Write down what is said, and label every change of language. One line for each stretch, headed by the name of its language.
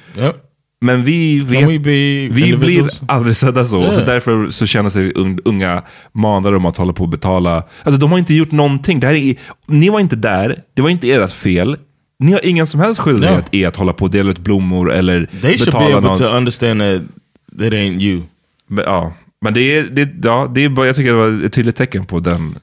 English: Yep.
Swedish: Men vi blir aldrig sedda så. Yeah. Så därför så känner sig unga manade om att hålla på och betala. Alltså de har inte gjort någonting. Det här ni var inte där. Det var inte ert fel. Ni har ingen som helst skyldighet i att hålla på och dela ut blommor eller betala något.
English: They should be able to understand that it ain't you.
Swedish: Men, ja. Men det är, jag tycker det var ett tydligt tecken på den grejen.